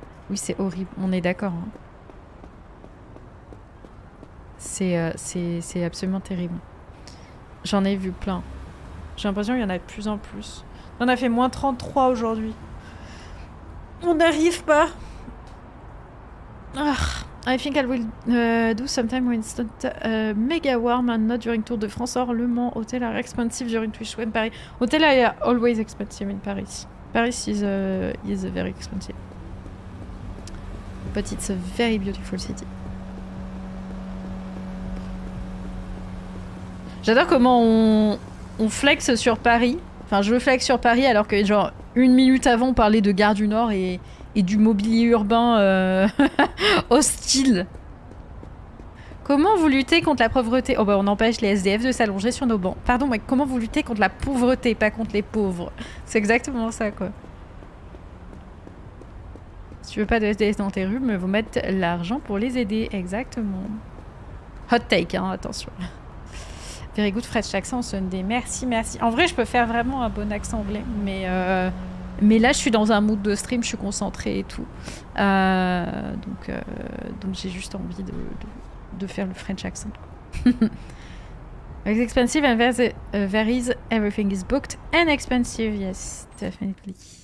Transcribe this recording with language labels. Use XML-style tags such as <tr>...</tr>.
<fr>Oui, c'est horrible, on est d'accord. Hein. C'est absolument terrible. J'en ai vu plein. J'ai l'impression qu'il y en a de plus en plus. On a fait moins 33 aujourd'hui. On n'arrive pas. Ah.</fr> <en>I think I will do sometime when it's not mega warm and not during Tour de France or Le Mans. Hotels are expensive during Twitch when Paris. Hotels are always expensive in Paris. Paris is very expensive. But it's a very beautiful city.</en> <fr>J'adore comment on flexe sur Paris. Enfin, je flexe sur Paris alors que, genre, une minute avant, on parlait de Gare du Nord et du mobilier urbain hostile. Comment vous luttez contre la pauvreté? Oh bah on empêche les SDF de s'allonger sur nos bancs. Pardon, mais comment vous luttez contre la pauvreté, pas contre les pauvres? C'est exactement ça, quoi. Si tu veux pas de SDF dans tes rues, mais vous mettez l'argent pour les aider. Exactement.</fr> <en>Hot take,</en> <fr>hein, attention.</fr> <en>Very good French accent, Sunday.</en> <fr>Merci, merci. En vrai, je peux faire vraiment un bon accent anglais, mais... Mais là, je suis dans un mood de stream, je suis concentrée et tout. Donc j'ai juste envie de faire le French accent.</fr> <en>It's expensive and varies. Everything is booked and expensive, yes, definitely.</en>